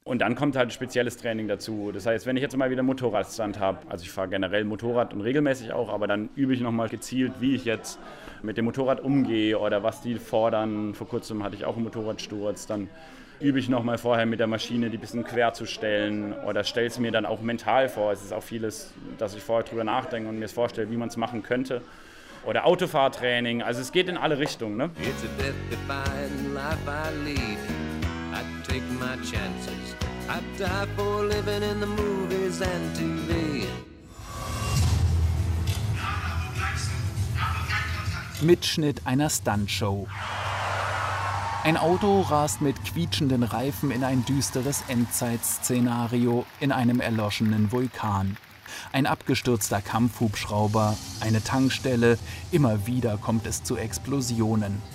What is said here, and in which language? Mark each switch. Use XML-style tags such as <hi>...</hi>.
<de>Und dann kommt halt ein spezielles Training dazu. Das heißt, wenn ich jetzt mal wieder Motorradstunt habe, also ich fahre generell Motorrad und regelmäßig auch, aber dann übe ich nochmal gezielt, wie ich jetzt mit dem Motorrad umgehe oder was die fordern. Vor kurzem hatte ich auch einen Motorradsturz, dann übe ich nochmal vorher mit der Maschine, die bisschen quer zu stellen oder stelle es mir dann auch mental vor. Es ist auch vieles, dass ich vorher drüber nachdenke und mir es vorstelle, wie man es machen könnte. Oder Autofahrtraining, also es geht in alle Richtungen. Ne?</de> <en>It's a death-defying life I lead. I take my chances. I die for living in the movies and TV.</en> <de>Mitschnitt einer Stuntshow. Ein Auto rast mit quietschenden Reifen in ein düsteres Endzeitszenario in einem erloschenen Vulkan. Ein abgestürzter Kampfhubschrauber, eine Tankstelle, immer wieder kommt es zu Explosionen.</de>